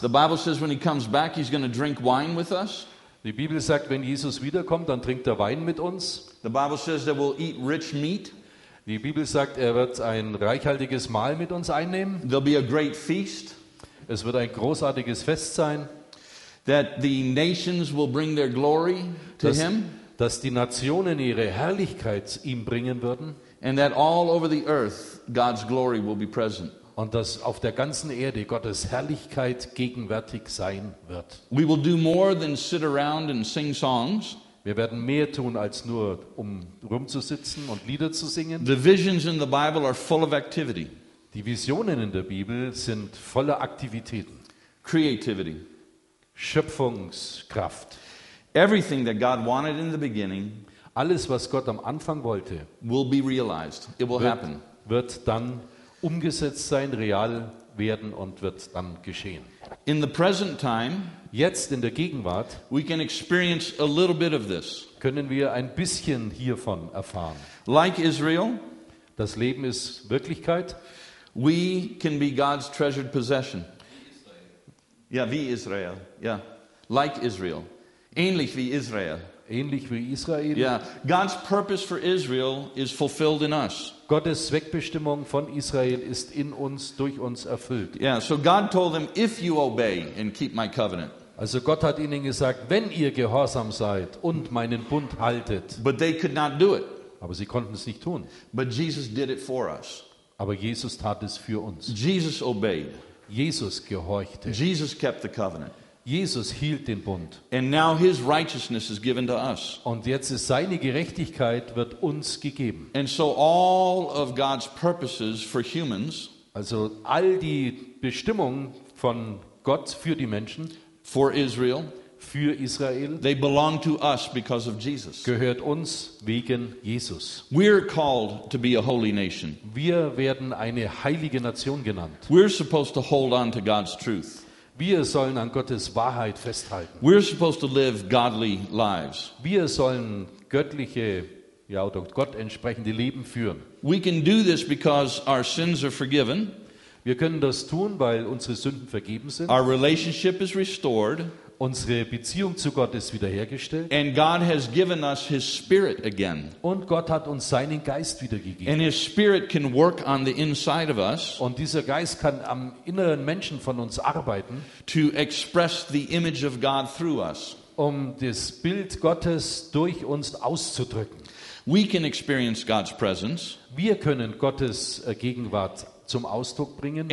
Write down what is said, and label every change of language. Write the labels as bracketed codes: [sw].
[en] The Bible says when he comes back he's going to drink wine with us. [de] Die Bibel sagt, wenn Jesus wiederkommt, dann trinkt er Wein mit uns. [en] The Bible says that we'll eat rich meat. [de] Die Bibel sagt, er wird ein reichhaltiges Mahl mit uns einnehmen. [en] There'll be a great feast. [de] Es wird ein großartiges Fest sein. [en] That the nations will bring their glory to him. [de] Dass die Nationen ihre Herrlichkeit ihm bringen würden. [en] And that all over the earth God's glory will be present. [de] Und dass auf der ganzen Erde Gottes Herrlichkeit gegenwärtig sein wird. [en] We will do more than sit around and sing songs. [de] Wir werden mehr tun als nur rumzusitzen und Lieder zu singen. [en] The visions in the Bible are full of activity. [de] Die Visionen in der Bibel sind voller Aktivitäten. [en] Creativity. [de] Schöpfungskraft. [en] Everything that God wanted in the beginning, [de] alles was Gott am Anfang wollte, [en] will be realized. It will happen. [de] Wird dann umgesetzt sein, real werden und wird dann geschehen. [en] In the present time, [de] jetzt in der Gegenwart, [en] we can experience a little bit of this. [de] Können wir ein bisschen hiervon erfahren. [en] Like Israel, [de] das Leben ist Wirklichkeit. [en] We can be God's treasured possession. [de] Ja, wie Israel. Ja, [en] like Israel. [de] Ähnlich wie Israel. Ähnlich wie Israel. [en] Yeah, God's purpose for Israel is fulfilled in us. [de] Gottes Zweckbestimmung von Israel ist in uns, durch uns erfüllt. [en] Yeah, so God told them, if you obey and keep my covenant. [de] Also Gott hat ihnen gesagt, wenn ihr gehorsam seid und meinen Bund haltet. [en] But they could not do it. [de] Aber sie konnten es nicht tun. [en] But Jesus did it for us. [de] Aber Jesus tat es für uns. [en] Jesus obeyed. [de] Jesus gehorchte. [en] Jesus kept the covenant. [de] Jesus hielt den Bund. [en] And now his righteousness is given to us. [de] Und jetzt ist seine Gerechtigkeit wird uns gegeben. [en] And so all of God's purposes for humans, [de] also all die Bestimmungen von Gott für die Menschen, [en] for Israel, [de] für Israel, [en] they belong to us because of Jesus. [de] Gehört uns wegen Jesus. [en] We're called to be a holy nation. [de] Wir werden eine heilige Nation genannt. [en] We're supposed to hold on to God's truth. [de] Wir sollen an Gottes Wahrheit festhalten. [en] We're supposed to live godly lives. [de] Wir sollen göttliche, ja, oder Gott entsprechende Leben führen. [en] We can do this because our sins are forgiven. [de] Wir können das tun, weil unsere Sünden vergeben sind. [en] Our relationship is restored. [de] unsere Beziehung zu Gott ist wiederhergestellt. [en] And God has given us his spirit again. [de] Und Gott hat uns seinen Geist wiedergegeben. [en] And his spirit can work on the inside of us. [de] Und dieser Geist kann am inneren Menschen von uns arbeiten. [en] To express the image of God through us. [de] Um das Bild Gottes durch uns auszudrücken. [en] We can experience God's presence. [de] Wir können Gottes Gegenwart zum Ausdruck bringen.